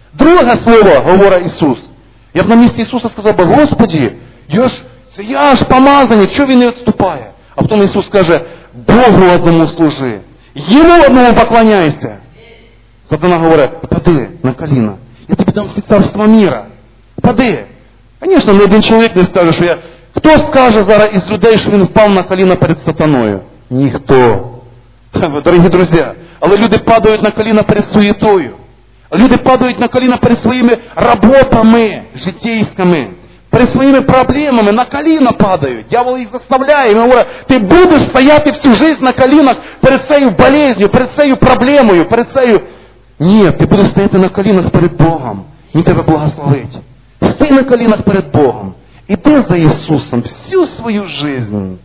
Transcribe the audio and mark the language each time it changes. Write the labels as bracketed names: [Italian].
[Ukrainian] Друге слово, говорить Ісус. Я б на місці Ісуса сказав би, Господи, я ж помазаний, чого він не відступає? А потім Ісус каже, Богу одному служи. Йому одному поклоняйся. Сатана говорить, пади на коліна. Я тобі дам всі царства міра. Пади. Звісно, не один чоловік не скаже, що я [Russian] Кто скажет зараз из людей, что он впал на колено перед сатаною? Никто. Дорогие друзья, але люди падают на колено перед суетою. Люди падают на колено перед своими работами житейскими. [Ukrainian] При своїми проблемами на коліна падають. Дьявол їх заставляє. Він говорить, ти будеш стояти всю життя на колінах перед цією болезнью, перед цією проблемою, перед цією... Ні, ти будеш стояти на колінах перед Богом. Він тебе благословить. Стій на колінах перед Богом. Іди за Ісусом всю свою життя.